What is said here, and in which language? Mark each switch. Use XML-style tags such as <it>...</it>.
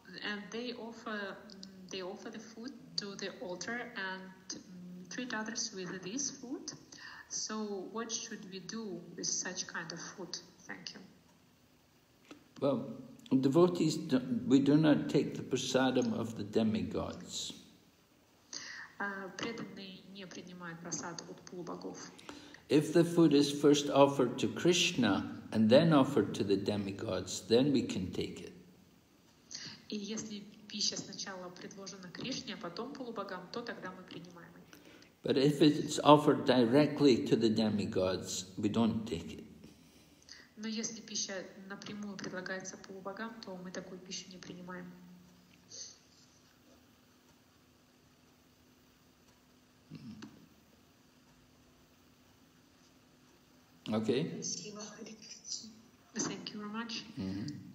<en>And they offer the food to the altar and treat others with this food. So what should we do with such kind of food? Thank you. Well, devotees, we do not take the prasadam of the demigods.</en> <ru>Преданные не принимают прасад от полубогов.</ru> <en>If the food is first offered to Krishna and then offered to the demigods, then we can take it.</en> <ru>И если пища сначала предложена Кришне, а потом полубогам, то тогда мы принимаем ее.</ru> <en>But if it's offered directly to the demigods, we don't take it.</en> <ru>Но если пища напрямую предлагается полубогам, то мы такую пищу не принимаем.</ru> <en>Okay. Thank you very much. Mm-hmm.</en>